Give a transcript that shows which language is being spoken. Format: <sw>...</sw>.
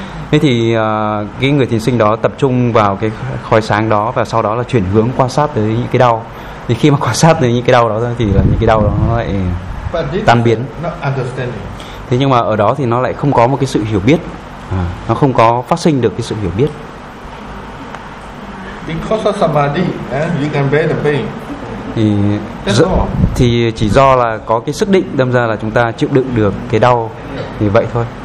<vi>Thế thì cái người thiền sinh đó tập trung vào cái khói sáng đó và sau đó là chuyển hướng quan sát tới những cái đau. Thì khi mà quan sát tới những cái đau đó thì là những cái đau đó nó lại tan biến. Thế nhưng mà ở đó thì nó lại không có một cái sự hiểu biết. Nó không có phát sinh được cái sự hiểu biết.</vi> <en>Because of somebody, you can bear the pain.</en> <vi>Thì chỉ do là có cái sức định đâm ra là chúng ta chịu đựng được cái đau thì vậy thôi.</vi>